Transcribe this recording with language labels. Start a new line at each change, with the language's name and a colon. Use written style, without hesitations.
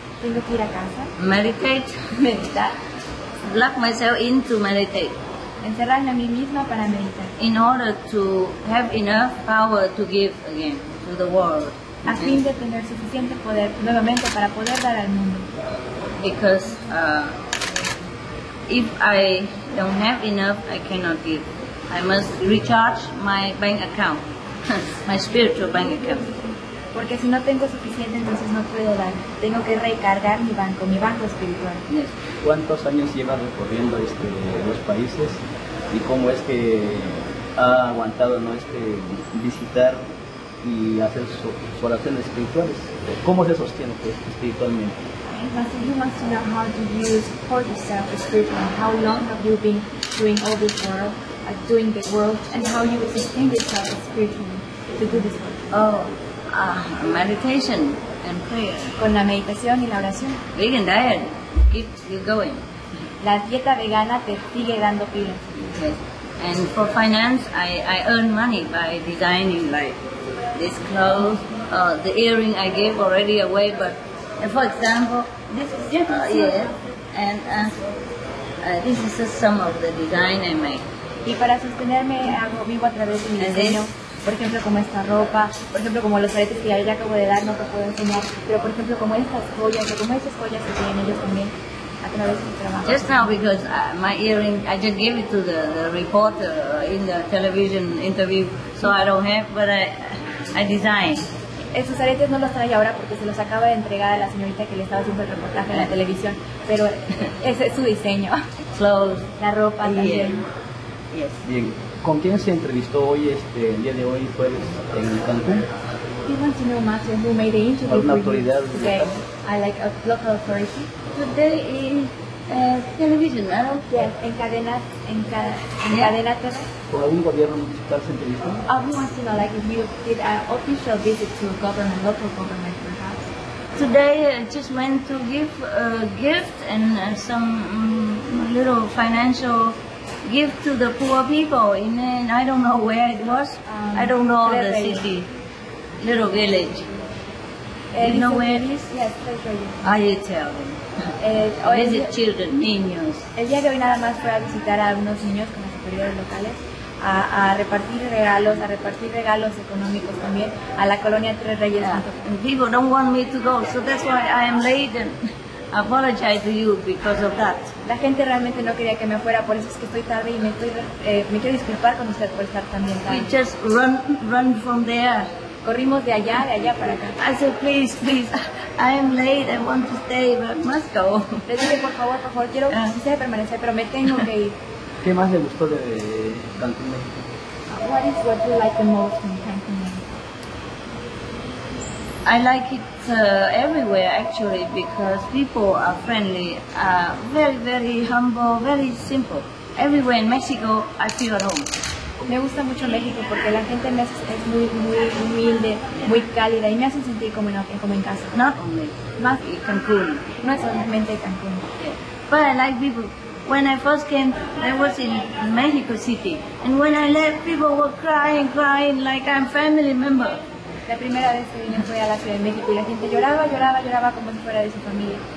Spanish: Tengo que ir a casa.
English: Meditate.
Spanish: Meditar.
English: Lock myself in to meditate.
Spanish: Encerrarme a mí misma para meditar.
English: In order to have enough power to give again to the world.
Spanish: A fin de tener suficiente poder nuevamente para poder dar al mundo.
English: Because if I don't have enough, I cannot give. I must recharge my bank account, my spiritual bank account.
Spanish: Porque si no tengo suficiente, entonces no puedo dar. Tengo que recargar mi banco espiritual.
English: Yes.
Spanish: ¿Cuántos años lleva recorriendo los países? ¿Y cómo es que ha aguantado visitar y hacer sus oraciones espirituales? ¿Cómo se sostiene espiritualmente?
English: Master, you must know how do you support yourself spiritually. How long have you been doing all this work, doing the world, and how you sustain yourself spiritually to do this work? Meditation and prayer.
Spanish: Con la meditación y la oración.
English: Vegan diet keeps you going.
Spanish: La dieta vegana te sigue dando pilas.
English: Yes. And for finance, I earn money by designing like this clothes. The earring I gave already away, but. For example, this is yes, and this is just some of the design I make.
Spanish: Y para sostenerme hago vivo a través de mi diseño. Por ejemplo, como esta ropa. Por ejemplo, como los aretes que ya acabo de dar, no te puedo enseñar. Pero por ejemplo, como estas joyas, o como esas joyas que tienen ellos también a través de mi trabajo.
English: Just now, because my earring, I just gave it to the reporter in the television interview, so I don't have, but I designed.
Spanish: Esos aretes no los trae ahora porque se los acaba de entregar a la señorita que le estaba haciendo el reportaje en la televisión, pero ese es su diseño.
English: Clothes.
Spanish: La ropa también.
English: Yes.
Spanish: Bien, ¿con quién se entrevistó hoy, el día de hoy, jueves, en Cancún?
English: He wants to know much and who made the interview for you.
Spanish: ¿Una autoridad?
English: Okay, I like a local authority. Today is television, ¿no? Yes,
Spanish: en cadena TV. ¿Con algún gobierno municipal se entrevistó?
English: He wants to know, like, if you did an official visit to government, local government, perhaps. Today I just went to give a gift and some little financial gift to the poor people. And then I don't know where it was. I don't know the city, little village. You know where it is? Yes, please show you. I tell them. Visit children, niños.
Spanish: El día de hoy nada más fue a visitar a unos niños con los superiores locales. A repartir regalos económicos también a la colonia Tres Reyes.
English: People don't want me to go, so that's why I am late and apologize to you because of that.
Spanish: La gente realmente no quería que me fuera, por eso es que estoy tarde y me quiero disculpar con usted por estar también tarde.
English: We just run from there.
Spanish: Corrimos de allá para acá.
English: I said, please, I am late, I want to stay, but must go.
Spanish: Le dije, por favor, quiero permanecer, pero me tengo que ir. ¿Qué más le gustó de Cancún, México?
English: What is what you like the most in Cancún? I like it everywhere, actually, because people are friendly, very, very humble, very simple. Everywhere in Mexico, I feel at home.
Spanish: Me gusta mucho México porque la gente es muy, muy humilde, muy cálida y me hace sentir como en casa.
English: Not only,
Spanish: más
English: Cancún.
Spanish: No es solamente Cancún.
English: But I like people. When I first came, I was in Mexico City, and when I left, people were crying like I'm family member.
Spanish: La primera vez que vine fue a la Ciudad de México y la gente lloraba como si fuera de su familia.